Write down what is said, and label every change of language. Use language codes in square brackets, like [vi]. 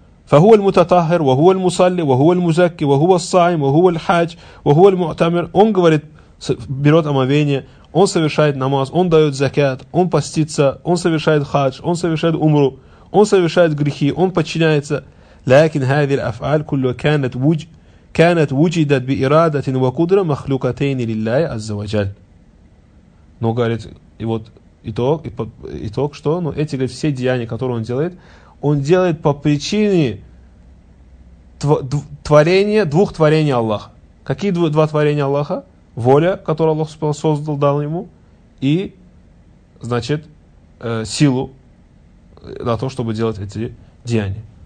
[ar] فَهُوَ الْمُتَطَهِرُ وَهُوَ الْمُصَلِّ وَهُوَ الْمُزَكِّ وَهُوَ الصَّائِمُ وَهُوَ الْحَاجُّ وَهُوَ الْمُعْتَمِرُ. [ru] Он говорит, берет омовение, он совершает намаз, он дает закят, он постится, он совершает хадж, он совершает умру, он совершает грехи, он подчиняется. [ar] لكن هذه الافعال كلها كانت وجدت باراده وقدره مخلوقتين لله عز وجل. [ru] Но говорит, и вот итог что? Но эти, говорит, все деяния, которые он делает по причине творения, двух творений Аллаха. Какие два творения Аллаха? Воля, которую Аллах создал, дал ему, и, значит, силу на то, чтобы делать эти деяния.